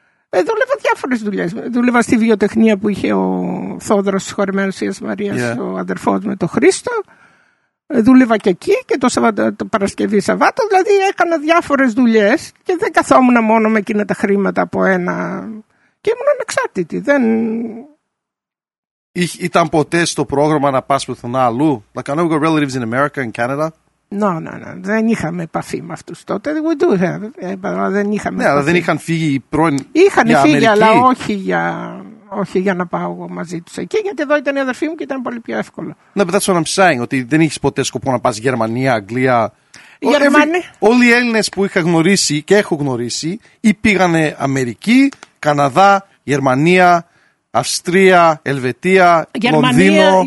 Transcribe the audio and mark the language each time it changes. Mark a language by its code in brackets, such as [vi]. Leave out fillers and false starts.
[el] Δούλευα διάφορες δουλειές. Δούλευα στη βιοτεχνία που είχε ο Θόδωρος της Χωρεμένης Θείας Μαρίας, ο αδερφός με τον Χρήστο. Δούλευα και εκεί και το Παρασκευή Σαββάτο. Δηλαδή έκανα διάφορες δουλειές και δεν καθόμουν μόνο με εκείνα τα χρήματα από ένα. Και ήμουν ανεξάρτητη. Δεν... Ήταν ποτέ στο πρόγραμμα να πας πουθενά αλλού? [en] Like, I know we've got relatives in America and Canada. No. [el] Δεν είχαμε επαφή με αυτούς τότε. [en] We do have. [el] Δεν είχαμε επαφή. Αλλά δεν είχαν φύγει οι πρώην. Είχαν φύγει, Αμερική. Αλλά όχι για να πάω εγώ μαζί τους εκεί. Γιατί εδώ ήταν η αδερφή μου και ήταν πολύ πιο εύκολο. [en] No, but that's what I'm saying. [el] Ότι δεν είχες ποτέ σκοπό να πας Γερμανία, Αγγλία. Όλοι οι Έλληνες που είχα γνωρίσει και έχω γνωρίσει ή πήγανε Αμερική, Καναδά, Γερμανία, Αυστρία, Ελβετία, Λονδίνο.